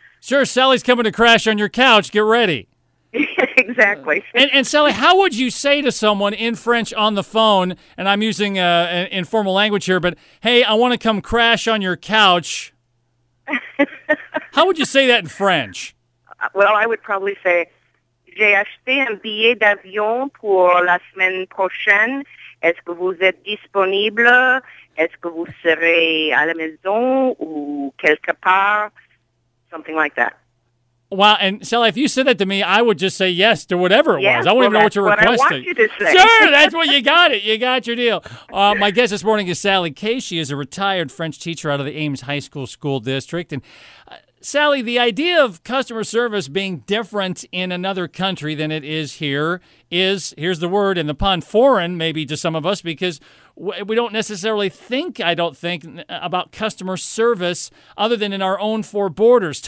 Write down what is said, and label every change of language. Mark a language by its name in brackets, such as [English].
[English] Sure, Sally's coming to crash on your couch. Get ready. Exactly. And Sally, how would you say to someone in French on the phone, and I'm using an informal language here, but, hey, I want to come crash on your couch. How would you say that in French? Well, I would probably say, [French] j'ai acheté un billet d'avion pour la semaine prochaine. Est-ce que vous êtes disponible? Est-ce que vous serez à la maison ou quelque part? [English] Something like that. Wow, and Sally, if you said that to me, I would just say yes to whatever it was. I wouldn't even know what you're requesting. That's what I want you to say. Sure, that's what you got it. You got your deal. My guest this morning is Sally Case. She is a retired French teacher out of the Ames High School School District. And Sally, the idea of customer service being different in another country than it is here is, here's the word in the pun, foreign maybe to some of us, because we don't necessarily think, I don't think, about customer service other than in our own four borders.